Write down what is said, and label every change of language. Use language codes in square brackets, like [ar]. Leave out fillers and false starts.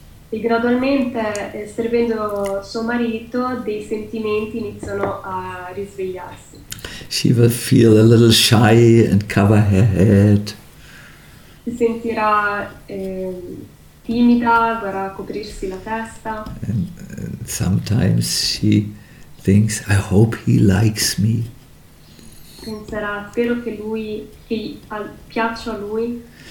[it] E gradualmente, servendo suo marito, dei sentimenti iniziano a risvegliarsi. [en] She will feel a little shy and cover her head. [it] Si sentirà timida, vorrà coprirsi la testa. [en] And sometimes she thinks, I hope he likes me. [it] Penserà, spero che lui, che piaccia a lui.